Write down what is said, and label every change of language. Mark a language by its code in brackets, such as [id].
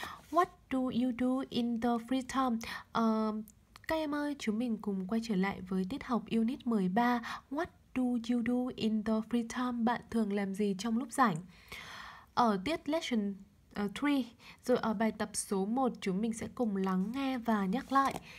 [en] What do you do in the free time? [vi] Các em ơi, chúng mình cùng quay trở lại với tiết học unit 13. [en] What do you do in the free time? [vi] Bạn thường làm gì trong lúc rảnh? Ở tiết lesson 3, rồi ở bài tập số 1, chúng mình sẽ cùng lắng nghe và nhắc lại.